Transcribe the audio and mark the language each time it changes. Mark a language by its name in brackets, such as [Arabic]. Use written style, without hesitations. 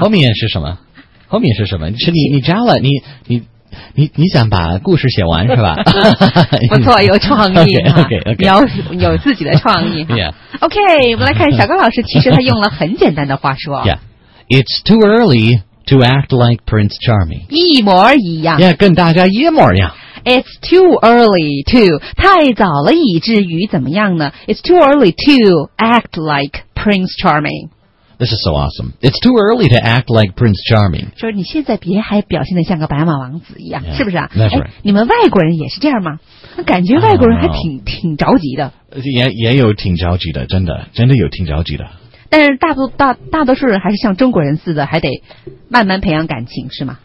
[Chinese] 后面是什么后面是什么是你加了你想把故事写完是吧不错有创意 [English] okay. [Chinese] 你要有自己的创意、 [English] yeah. [Chinese] OK 我们来看小高老师其实他用了很简单的话说、 [English] yeah. It's too early to act like Prince Charming [Chinese] 一模一样 yeah, 跟大家一模一样 [English] It's too early to [Chinese] 太早了以至于怎么样呢 [English] It's too early to act like Prince Charming This is so awesome. It's too early to act like Prince Charming. [Chinese] 就是你现在别还表现得像个白马王子一样 [English] yeah, [Chinese] 是不是啊 [English] That's right. [Chinese] 你们外国人也是这样吗感觉外国人还挺着急的。也有挺着急的真的真的有挺着急的。但是大多数人还是像中国人似的还得慢慢培养感情是吗